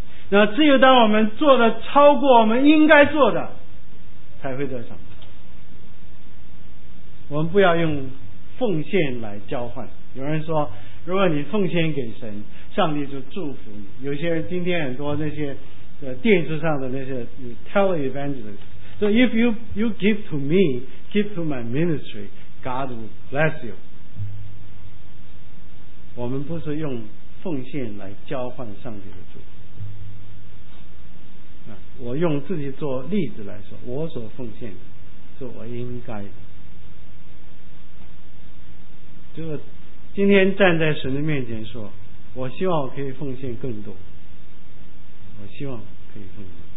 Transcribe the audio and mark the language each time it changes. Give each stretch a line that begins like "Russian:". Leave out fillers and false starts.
Chinese: 那只有当我们做的超过我们应该做的，才会得偿。我们不要用奉献来交换。有人说，如果你奉献给神，上帝就祝福你。有些人今天很多那些电视上的那些 televangelist。
English: So if you give to me, give to my ministry, God will bless you.
Chinese: 我们不是用奉献来交换上帝的祝福。我用自己做例子来说，我所奉献的是我应该的。就是今天站在神的面前说，我希望我可以奉献更多，我希望可以奉献。